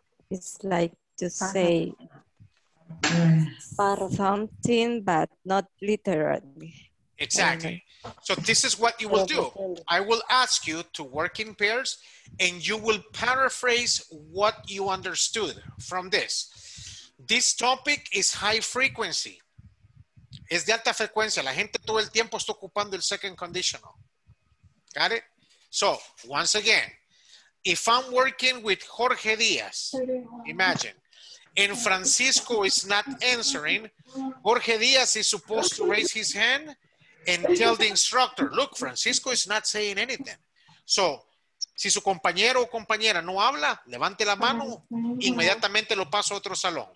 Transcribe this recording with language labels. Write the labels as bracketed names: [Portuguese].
[English] It's like to say something, but not literally. Exactly. So this is what you will do. I will ask you to work in pairs, and you will paraphrase what you understood from this. This topic is high frequency. [Spanish] Es de alta frecuencia. La gente todo el tiempo está ocupando el second conditional. [English] Got it? So, once again, if I'm working with Jorge Diaz, imagine, and Francisco is not answering, Jorge Diaz is supposed to raise his hand and tell the instructor, look, Francisco is not saying anything. [Spanish] So, si su compañero o compañera no habla, levante la mano, inmediatamente lo paso a otro salón.